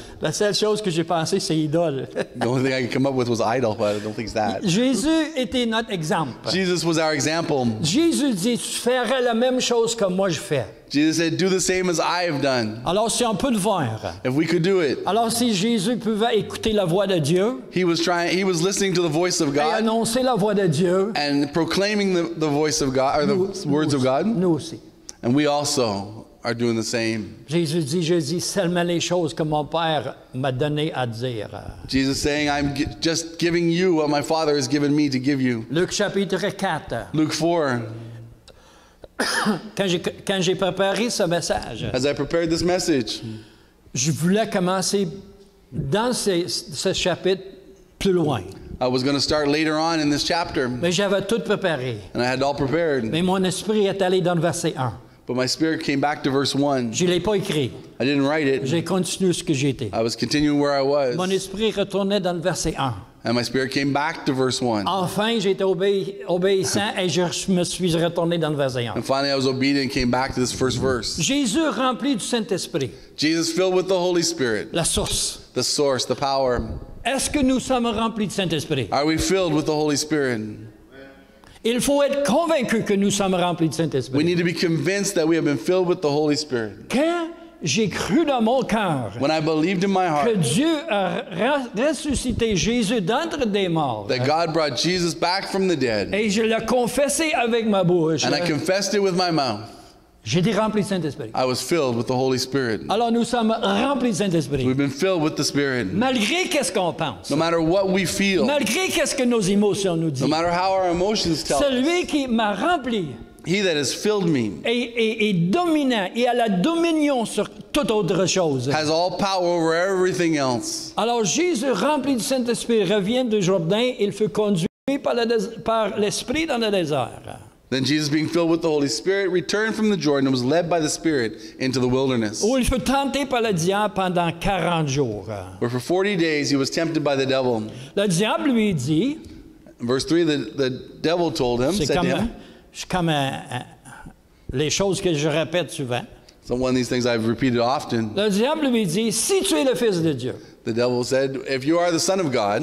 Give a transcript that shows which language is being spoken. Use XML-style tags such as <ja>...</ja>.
<fr>La seule chose que j'ai pensé, c'est idole.</fr> <en>The only thing I could come up with was idol, but I don't think it's that.</en> <fr>Jésus était notre exemple.</fr> <en>Jesus was our example.</en> <fr>Jésus dit, tu ferais la même chose que moi je fais.</fr> <en>Jesus said, do the same as I have done.</en> <fr>Alors si on peut le voir.</fr> <en>If we could do it.</en> <fr>Alors si Jésus pouvait écouter la voix de Dieu.</fr> <en>He was listening to the voice of God.</en> <fr>Et annoncer la voix de Dieu.</fr> <en>And proclaiming the voice of God, or the words of God.</en> <fr>Nous aussi.</fr> <en>And we also. Are doing the same.</en> <fr>Jésus dit, je dis seulement les choses que mon Père m'a donné à dire.</fr> <en>Jesus saying, I'm just giving you what my Father has given me to give you.</en> <fr>Luc chapitre 4.</fr> <en>Luke 4.</en> <fr>Quand j'ai préparé ce message.</fr> <en>As I prepared this message.</en> <fr>Je voulais commencer dans ce chapitre plus loin.</fr> <en>I was going to start later on in this chapter.</en> <fr>Mais j'avais tout préparé.</fr> <en>And I had all prepared.</en> <fr>Mais mon esprit est allé dans le verset 1.</fr> <en>But my spirit came back to verse 1.</en> <fr>Je l'ai pas écrit.</fr> <en>I didn't write it.</en> <fr>J'ai continué ce que j'étais.</fr> <en>I was continuing where I was.</en> <fr>Mon esprit retournait dans le verset 1.</fr> <en>And my spirit came back to verse 1.</en> <fr>Enfin, j'étais obéissant et je me suis retourné dans le verset 1.</fr> <en>And finally, I was obedient and came back to this first verse.</en> <fr>Jésus rempli du Saint-Esprit.</fr> <en>Jesus filled with the Holy Spirit.</en> <fr>La source.</fr> <en>The source, the power.</en> <fr>Est-ce que nous sommes remplis du Saint-Esprit?</fr> <en>Are we filled with the Holy Spirit?</en> <fr>Il faut être convaincu que nous sommes remplis de Saint-Esprit.</fr> <en>We need to be convinced that we have been filled with the Holy Spirit.</en> <fr>Quand j'ai cru dans mon cœur.</fr> <en>When I believed in my heart.</en> <fr>Que Dieu a ressuscité Jésus d'entre des morts.</fr> <en>That God brought Jesus back from the dead.</en> <fr>Et je l'ai confessé avec ma bouche.</fr> <en>And I confessed it with my mouth.</en> <fr>J'étais rempli de Saint-Esprit.</fr> <en>I was filled with the Holy Spirit.</en> <fr>Alors nous sommes remplis de Saint-Esprit.</fr> <en>We've been filled with the Spirit.</en> <fr>Malgré qu'est-ce qu'on pense.</fr> <en>No matter what we feel.</en> <fr>Malgré qu'est-ce que nos émotions nous disent.</fr> <en>No matter how our emotions tell.</en> <fr>Celui qui m'a rempli.</fr> <en>He that has filled me.</en> <fr>Et dominant et a la dominion sur toute autre chose.</fr> <en>Has all power over everything else.</en> <fr>Alors Jésus rempli de Saint-Esprit revient du Jordan. Il fut conduit par l'Esprit dans le désert.</fr> <en>Then Jesus, being filled with the Holy Spirit, returned from the Jordan and was led by the Spirit into the wilderness.</en> <fr>Où il fut tenté par le diable pendant 40 jours.</fr> <en>Where for 40 days he was tempted by the devil.</en> <fr>Le diable lui dit.</fr> <en>Verse 3, the devil told him,</en> <fr>c'est</fr> <en>said</en> <fr>comme,</fr> <en>to him.</en> <fr>C'est comme les choses que je répète souvent.</fr> <en>So one of these things I've repeated often.</en> <fr>Le diable lui dit, si tu es le Fils de Dieu.</fr> <en>The devil said, if you are the Son of God.</en>